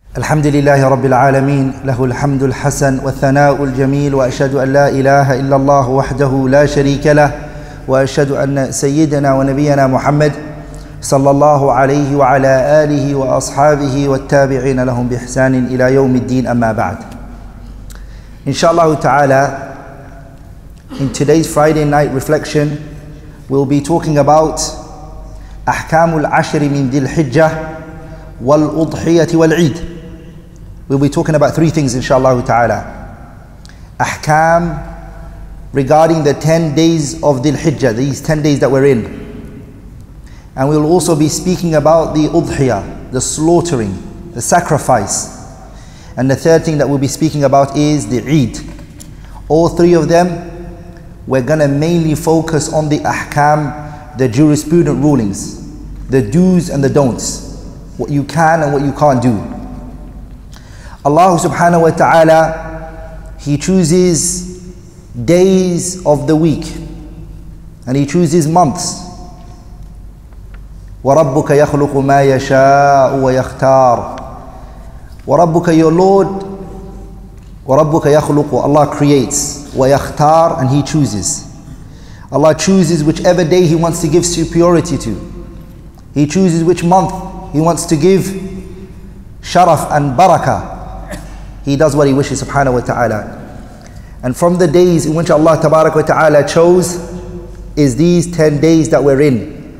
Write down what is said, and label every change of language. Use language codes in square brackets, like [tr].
[ar] الحمد لله رب العالمين له الحمد الحسن والثناء الجميل وأشهد أن لا إله إلا الله وحده لا شريك له وأشهد أن سيدنا ونبينا محمد صلى الله عليه وعلى آله وأصحابه والتابعين لهم بإحسان إلى يوم الدين أما بعد إن شاء الله تعالى. [en] In today's Friday night reflection, we'll be talking about [ar] أحكام العشر من ذي الحجة والأضحية والعيد. [en] We'll be talking about three things, inshallah ta'ala. أحكام regarding the 10 days of ذي الحجة, these 10 days that we're in. And we'll also be speaking about the أضحية, the slaughtering, the sacrifice. And the third thing that we'll be speaking about is the عيد. All three of them, we're going to mainly focus on the ahkam, the jurisprudent rulings, the do's and the don'ts, what you can and what you can't do. Allah subhanahu wa ta'ala, He chooses days of the week and He chooses months. [ar] وَرَبُّكَ يَخْلُقُ مَا يَشَاءُ وَيَخْتَارُ وَرَبُّكَ [en] your Lord, [ar] وَرَبُّكَ يَخْلُقُ [en] Allah creates. وَيَخْتَارُ and He chooses. Allah chooses whichever day He wants to give superiority to. He chooses which month He wants to give sharaf and barakah. He does what He wishes, subhanahu wa ta'ala. And from the days in which Allah tabarak wa ta'ala chose is these 10 days that we're in.